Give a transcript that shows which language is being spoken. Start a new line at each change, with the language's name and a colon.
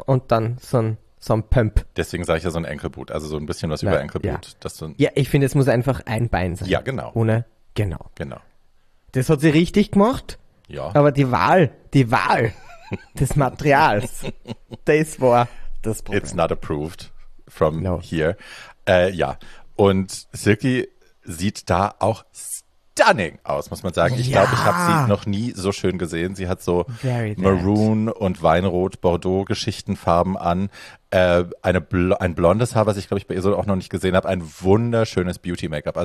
German: Und dann so ein so ein Pump. Deswegen sage ich ja so ein Ankle-Boot, also so ein bisschen was über Ankle-Boot. Ja. Ja, ich finde, es muss einfach ein Bein sein. Ja, genau. Ohne, genau. Genau. Das hat sie richtig gemacht. Ja. Aber die Wahl des Materials, das war das Problem.
English: It's not approved from here.
German: Ja, und Silky sieht da auch stunning aus, muss man sagen. Ich glaube, ich habe sie noch nie so schön gesehen. Sie hat so Maroon und Weinrot-Bordeaux-Geschichtenfarben an. Ein blondes Haar, was ich, glaube ich, bei ihr so auch noch nicht gesehen habe. Ein wunderschönes Beauty-Make-up.